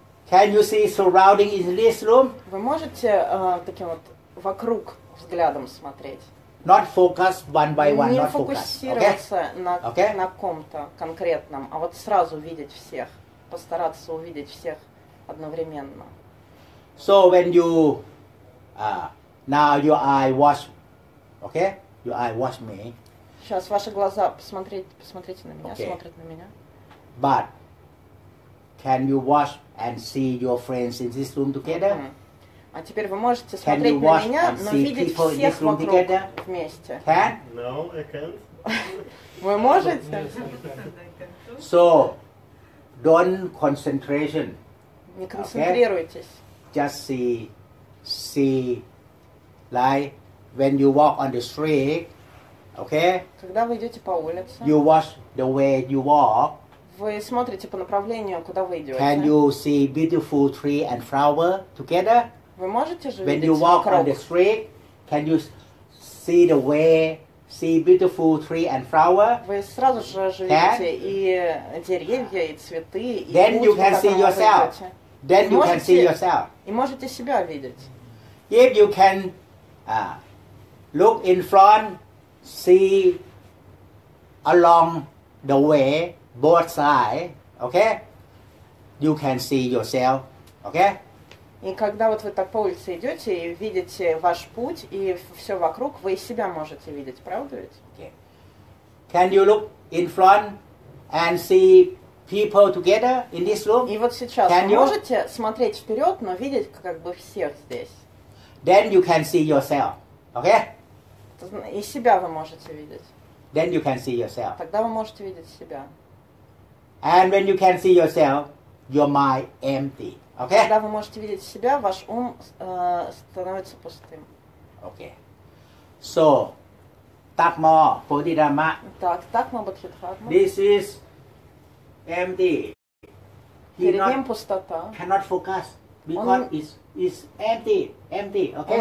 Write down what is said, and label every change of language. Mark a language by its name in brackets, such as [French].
[English] Can you see surrounding in this room? [Russian] Вы можете таким вот вокруг взглядом смотреть? [English] Not focus one by one. [Russian] Не фокусироваться на ком-то конкретном, а вот сразу видеть всех, постараться увидеть всех. Одновременно. [English] So when you now your eye watch, okay? Your eye watch me. [Russian] Сейчас ваши глаза посмотрите на меня, смотрят на меня. [English] But can you watch and see your friends in this room together? [Russian] А теперь вы можете смотреть на меня, но видеть всех вокруг вместе. [English] Can? No, I can't. [Russian] Вы можете? [English] So don't concentration. [Russian] Не концентрируйтесь. [English] Okay. Just see, like when you walk on the street, okay? [Russian] Когда вы идете по улице. [English] You watch the way you walk. [Russian] Вы смотрите по направлению, куда вы идете. [English] Can you see beautiful tree and flower together? [Russian] Вы можете же [English] when you walk [Russian] вокруг? [English] On the street, can you see the way, see beautiful tree and flower? [Russian] Вы сразу же оживите и деревья, и цветы, и [English] Then [Russian] путь, [English] you can see yourself. Then you can see yourself. [Russian] И можете себя видеть. [English] If you can look in front, see along the way, both sides, okay? You can see yourself, okay? [Russian] И когда вот вы так по улице идете и видите ваш путь и все вокруг, вы себя можете видеть, правда ведь? [English] Okay. Can you look in front and see people together in this room? [Russian] И вот сейчас [English] can [Russian] вы можете [English] you? [Russian] Смотреть вперед, но видеть как бы всех здесь. [English] Then you can see yourself, okay? [Russian] И себя вы можете видеть. [English] Then you can see yourself. [Russian] Тогда вы можете видеть себя. [English] And when you can see yourself, your mind empty. Okay. [Russian] Когда вы можете видеть себя, ваш ум становится пустым. [English] Okay. So, [Russian] такмо, бодхидхарма. Так, такмо, бодхидхарма. [English] This is empty. [Russian] Перед ним пустота. [English] Cannot focus because [Russian] он... [English] is empty, empty. Okay.